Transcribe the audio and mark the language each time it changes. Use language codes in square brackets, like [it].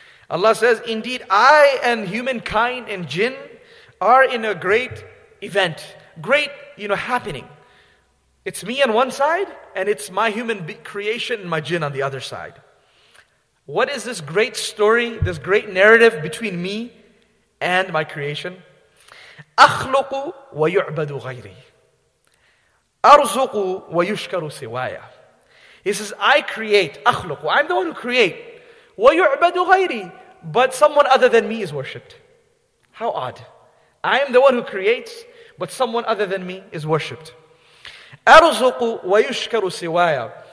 [en] Allah says, "Indeed, I and humankind and jinn are in a great event, great, you know, happening. It's me on one side, and it's my human creation and my jinn on the other side. What is this great story, this great narrative between me and my creation? [ar] أَخْلُقُ وَيُعْبَدُ غَيْرِي أَرْزُقُ وَيُشْكَرُ سِوَايَ. [en] He says, "I create, [ar] أَخْلُقُ, [en] I'm the one who create. [ar] وَيُعْبَدُ غَيْرِي, [en] but someone other than me is worshipped." How odd. I am the one who creates, but someone other than me is worshipped. [ar] أَرْزُقُ وَيُشْكَرُ سِوَايَ.